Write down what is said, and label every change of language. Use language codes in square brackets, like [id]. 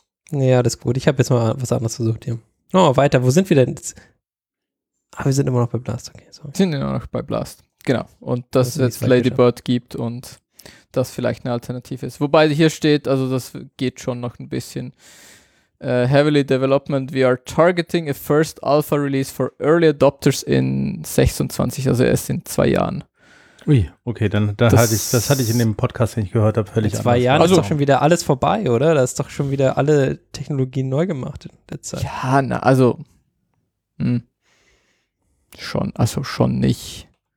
[de] Ja, das ist gut. Ich habe jetzt mal was anderes versucht hier. Oh, weiter, wo sind wir denn jetzt? Ah, wir sind immer noch bei Blast, okay. Sorry. Sind immer noch bei Blast, genau. Und dass es jetzt Lady Bird gibt und das vielleicht eine Alternative ist. Wobei hier steht, also das geht schon noch ein bisschen. [en] Heavily Development, we are targeting a first Alpha Release for early adopters in 26, [de] also erst in 2 Jahren. Ui, okay, das hatte ich in dem Podcast, den ich gehört habe, völlig anders. In 2 Jahren ist doch schon wieder alles vorbei, oder? Da ist doch schon wieder alle Technologien neu gemacht in der Zeit. Ja, na, also schon nicht.